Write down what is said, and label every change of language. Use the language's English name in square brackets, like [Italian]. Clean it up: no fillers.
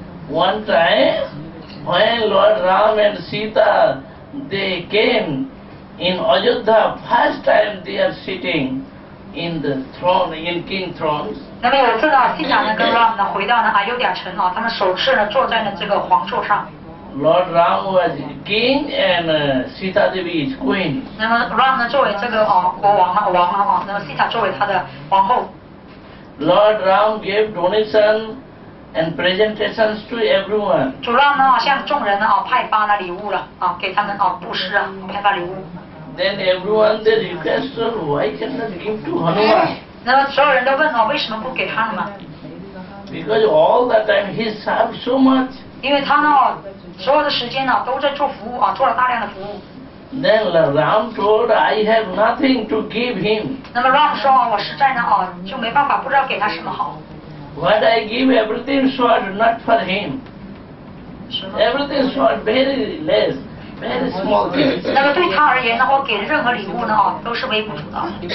[English] One time, when Lord Ram and Sita they came. In Ayodhya, first time they are sitting in the throne, in king thrones. [Chinese] 那么有次呢，西塔呢跟 Ram 呢回到呢阿尤达城啊，他们首次呢坐在了这个皇座上。 [English] Lord Ram was king and Sita Devi is queen. [Chinese] 那么 Ram 呢作为这个啊国王啊王啊啊，那么西塔作为他的皇后。 [English] Lord Ram gave donation and presentations to everyone. [Chinese] 主 Ram 呢向众人呢啊派发了礼物了啊，给他们啊布施啊派发礼物。 [English] Then everyone they requested, why cannot give to Hanuman? [Chinese] 那么所有人都问哦，为什么不给他们？ [English] Because all the time he served so much. [Chinese] 因为他呢，所有的时间呢都在做服务啊，做了大量的服务。 [English] Then Ram told, I have nothing to give him. [Chinese] 那么 Ram 说啊，我实在呢啊，就没办法，不知道给他什么好。 [English] What I give everything short, not for him. Everything short, very less. [Chinese] 那么对他而言的话，给任何礼物呢，都是微不足道。